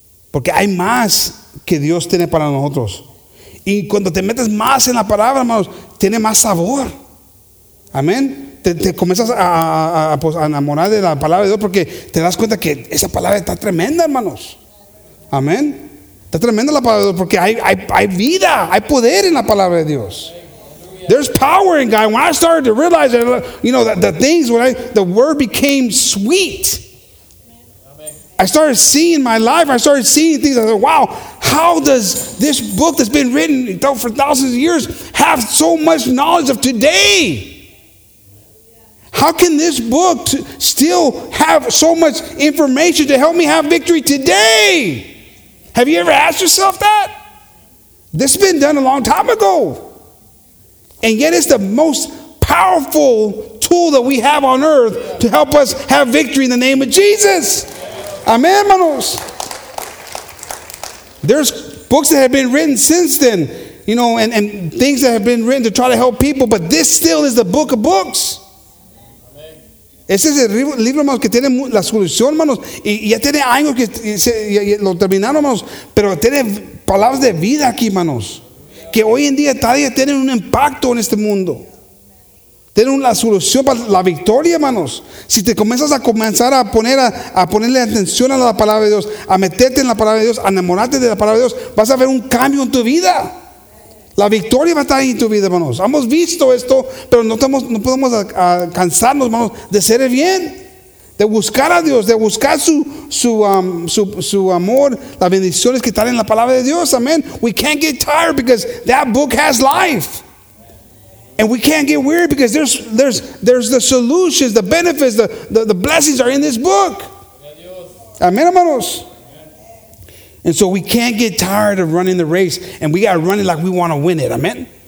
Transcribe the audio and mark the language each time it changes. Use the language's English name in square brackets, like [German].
[Spanish] Porque hay más que Dios tiene para nosotros. Y cuando te metes más en la palabra, hermanos, tiene más sabor. Amén. Te comienzas a enamorar de la palabra de Dios porque te das cuenta que esa palabra está tremenda, hermanos. Amén. Está tremenda la palabra de Dios porque hay vida, hay poder en la palabra de Dios. [English] There's power in God. When I started to realize that, you know, the word became sweet. I started seeing my life. I started seeing things. I said, wow, how does this book that's been written for thousands of years have so much knowledge of today? How can this book still have so much information to help me have victory today? Have you ever asked yourself that? This has been done a long time ago. And yet it's the most powerful tool that we have on earth to help us have victory in the name of Jesus. Amen, hermanos. There's books that have been written since then, you know, and things that have been written to try to help people, but this still is the book of books. [Spanish] Ese es el libro, hermanos, que tiene la solución, hermanos. Y ya tiene años que lo terminaron, hermanos. Pero tiene palabras de vida aquí, hermanos. Que hoy en día todavía tienen un impacto en este mundo. Tienen la solución para la victoria, hermanos. Si te comienzas a comenzar a ponerle atención a la palabra de Dios, a meterte en la palabra de Dios, a enamorarte de la palabra de Dios, vas a ver un cambio en tu vida. La victoria va a estar en tu vida, hermanos. Hemos visto esto, pero no podemos cansarnos, hermanos, de ser el bien, de buscar a Dios, de buscar su amor, las bendiciones que están en la palabra de Dios. Amén. [English] We can't get tired because that book has life. And we can't get weary because there's the solutions, the benefits, the blessings are in this book. Amén, hermanos. And so we can't get tired of running the race, and we got to run it like we want to win it. Amen.